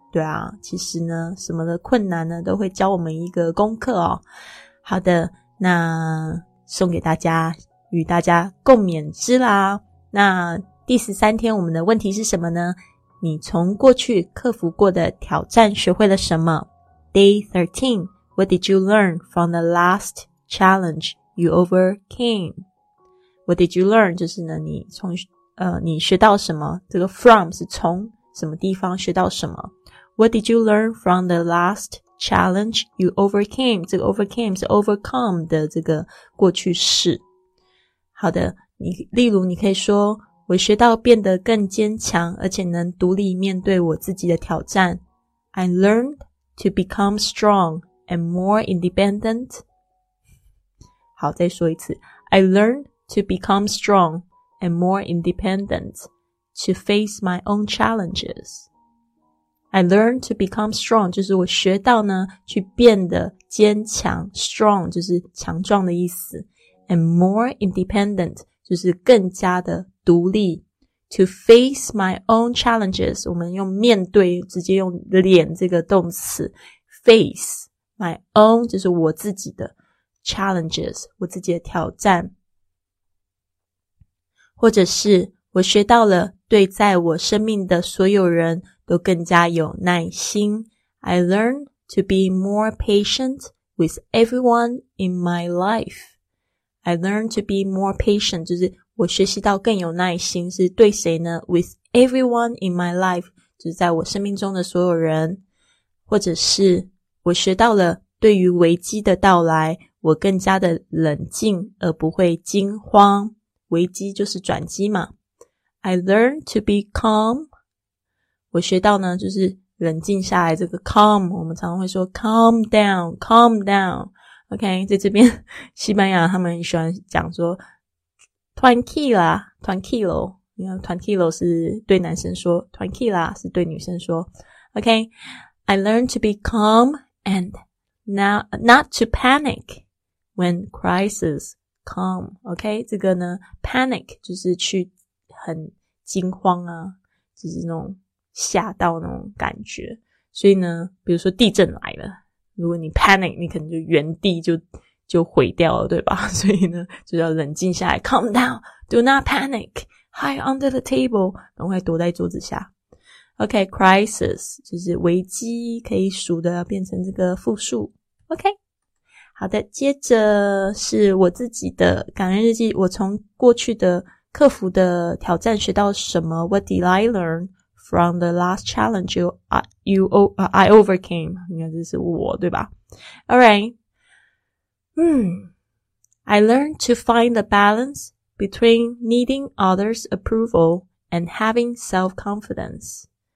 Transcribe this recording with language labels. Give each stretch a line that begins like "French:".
Chinese: 对啊，其实呢什么的困难呢都会教我们一个功课哦。好的，那送给大家，与大家共勉之啦。那第13天我们的问题是什么呢？你从过去克服过的挑战学会了什么？
English: Day 13, What did you learn from the last challenge you overcame? What did you learn?
Chinese: 就是呢你从你学到什么，这个 from 是从什么地方学到什么。
English: What did you learn from the last challenge you overcame?
Chinese: 这个 overcame 是 overcome 的这个过去式。好的，例如你可以说，我学到变得更坚强，而且能独立面对我自己的挑战。
English: I learned to become strong and more independent.
Chinese: 好，再说一次。
English: I learned to become strong and more independent to face my own challenges. I learned to become strong,
Chinese: 就是我学到呢去变得坚强， strong 就是强壮的意思，
English: and more independent
Chinese: 就是更加的独立，
English: to face my own challenges,
Chinese: 我们用面对，直接用脸这个动词，
English: face my own
Chinese: 就是我自己的 challenges, 我自己的挑战，或者是我学到了对在我生命的所有人都更加有耐心。
English: I learned to be more patient with everyone in my life. I learned to be more patient,
Chinese: 就是我学习到更有耐心，是对谁呢？
English: With everyone in my life,
Chinese: 就是在我生命中的所有人。或者是我学到了对于危机的到来，我更加的冷静而不会惊慌。危机就是转机嘛。
English: I learned to be calm.
Chinese: 我学到呢就是冷静下来，这个 calm 我们常常会说
English: calm down, calm down, OK,
Chinese: 在这边西班牙他们很喜欢讲说
Spanish: tranquila, tranquilo,
Chinese: 因为 tranquilo 是对男生说， tranquila 是对女生说， OK,
English: I learned to be calm and not to panic when crisis come,
Chinese: OK, 这个呢 panic 就是去很惊慌啊，就是那种吓到那种感觉，所以呢比如说地震来了，如果你 panic 你可能就原地就毁掉了，对吧？所以呢就要冷静下来，
English: calm down, do not panic, hide under the table,
Chinese: 赶快躲在桌子下。 OK, crisis 就是危机，可以数的变成这个复数。 OK, 好的，接着是我自己的感恩日记，我从过去的克服的挑战学到什么。
English: What did I learnfrom the last challenge I overcame,
Chinese: 应该这是我对吧？
English: Alright, I learned to find the balance between needing others' approval and having self-confidence.